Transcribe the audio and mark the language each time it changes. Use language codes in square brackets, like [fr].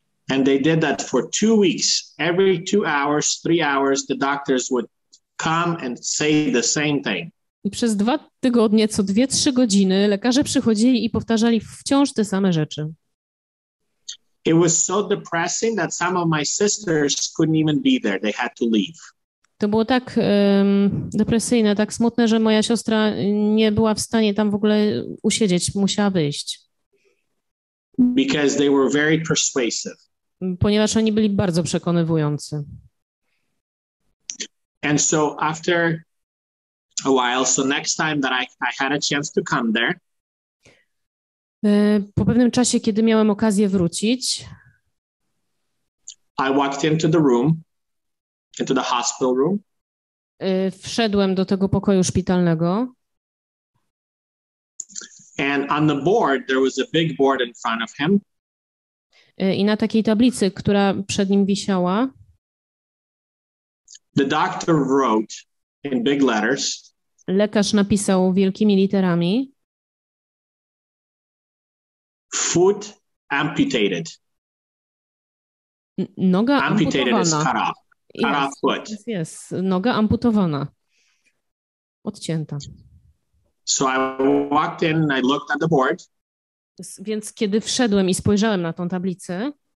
[en] And they did that for 2 weeks. Every 2 hours, 3 hours, the doctors would come and say the same thing. [pl] I przez 2 tygodnie, co 2-3 godziny, lekarze przychodzili i powtarzali wciąż te same rzeczy. [en] It was so depressing that some of my sisters couldn't even be there. They had to leave. [pl] To było tak depresyjne, tak smutne, że moja siostra nie była w stanie tam w ogóle usiedzieć, musiała wyjść. [en] Because they were very persuasive. [pl] Ponieważ oni byli bardzo przekonywujący. [en] And so after a while, so next time that I had a chance to come there. [pl] Po pewnym czasie, kiedy miałem okazję wrócić, [en] I walked into the room, into the hospital room. [pl] Wszedłem do tego pokoju szpitalnego. [en] And on the board, there was a big board in front of him. [pl] I na takiej tablicy, która przed nim wisiała, [en] the doctor wrote in big letters. [pl] Lekarz napisał wielkimi literami. [en] Foot amputated. [pl] Noga [en] amputated [pl] amputowana. [en] Is cut off. Cut off foot. Yes, [pl] noga amputowana. Odcięta. [en] So I walked in and I looked at the board. [pl] Więc kiedy wszedłem i spojrzałem na tą tablicę,